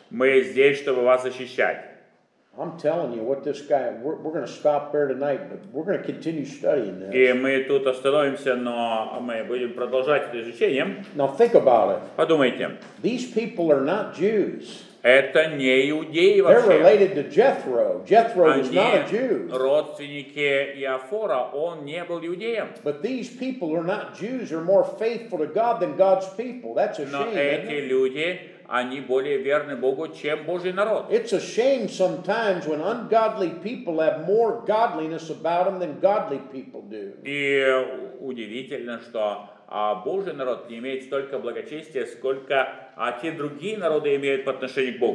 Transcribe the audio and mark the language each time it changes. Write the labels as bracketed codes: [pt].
[ru] Мы здесь, чтобы вас защищать. [en] I'm telling you what this guy, we're going to stop there tonight, but we're going to continue studying this. [ru] И мы тут остановимся, но мы будем продолжать это изучение. [en] Now think about it. [ru] Подумайте. [en] These people are not Jews. [ru] Это не иудеи вообще. [en] They're related to Jethro. Jethro was not a Jew. [ru] Родственники Иофора, он не был иудеем. [en] But these people are not Jews. They're more faithful to God than God's people. That's a shame. [ru] Но эти люди, они более верны Богу, чем Божий народ. [en] It's a shame sometimes when ungodly people have more godliness about them than godly people do. [ru] И удивительно, что Божий народ не имеет столько благочестия, сколько те другие народы имеют по отношению к Богу.